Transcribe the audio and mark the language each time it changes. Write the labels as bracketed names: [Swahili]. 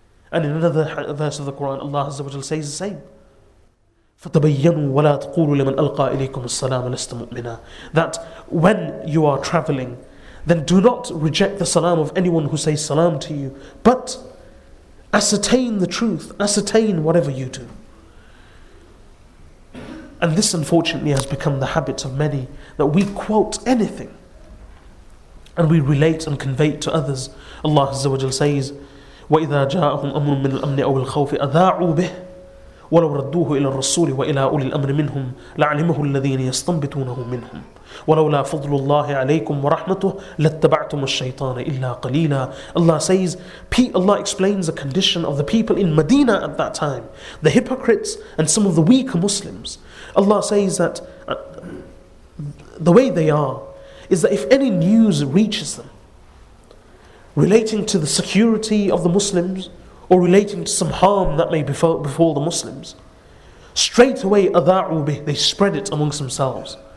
[English] And in another verse of the Quran, Allah Azza wa Jalla says the same. [Arabic] فَتَبَيَّنُوا وَلَا تَقُولُوا لِمَنْ أَلْقَى إِلَيْكُمُ السَّلَامَ لَسْتَ مُؤْمِنًا, [English] that when you are traveling, then do not reject the salam of anyone who says salam to you, but ascertain the truth, ascertain whatever you do. And this, unfortunately, has become the habit of many, that we quote anything and we relate and convey to others. Allah Azza wa Jal says, [Arabic] وَإِذَا جَاءَهُمْ أَمْرٌ مِّنَ الْأَمْنِ أَوِ الْخَوْفِ أَذَاعُوا بِهِ وَلَوْ رَدُّوهُ إِلَى الرَّسُولِ وَإِلَىٰ أُولِي الْأَمْرِ مِنْهُمْ لَعْلِمَهُ الَّذِينَ يَسْتَنْبِتُونَهُ مِنْهُمْ وَلَوْلَا فَضْلُ اللَّهِ عَلَيْكُمْ وَرَحْمَتُهُ لَاتَّبَعْتُمُ الشَّيْطَانَ إِلَّا قَلِيلًا. [English] Allah says, Allah explains the condition of the people in Medina at that time, the hypocrites and some of the weaker Muslims. Allah says that the way they are is that if any news reaches them relating to the security of the Muslims or relating to some harm that may befall the Muslims, straight away they spread it amongst themselves.